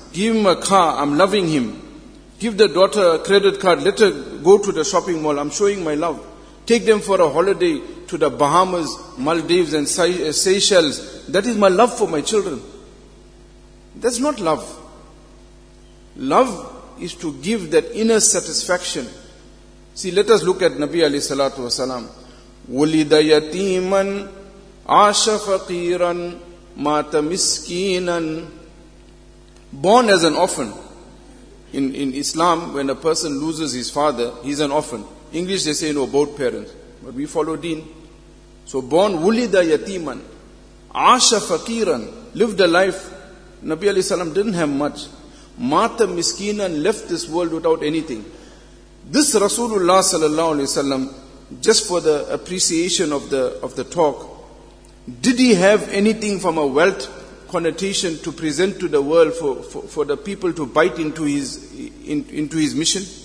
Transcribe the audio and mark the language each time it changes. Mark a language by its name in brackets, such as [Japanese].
[English] Give him a car, I'm loving him. Give the daughter a credit card, let her go to the shopping mall, I'm showing my love. Take them for a holiday to the Bahamas, Maldives and Seychelles. That is my love for my children. That's not love. Love is to give that inner satisfaction. See, let us look at Nabi alayhi salatu wasalam. [Arabic] وُلِدَ يَتِيمًا عَاشَ فَقِيرًا مَاتَ مِسْكِينًا. [English] Born as an orphan. In Islam, when a person loses his father, he's an orphan. English they say, no, both parents. But we follow deen. So born, [Arabic] وُلِدَ يَتِيمًا عَاشَ فَقِيرًا. [English] Lived a life. Nabi alayhi salam didn't have much. [Arabic] مَاتَ مِسْكِينًا. [English] Left this world without anything. This Rasulullah sallallahu alayhi wasallam, just for the appreciation of the talk, did he have anything from a wealth connotation to present to the world for the people to bite into his mission?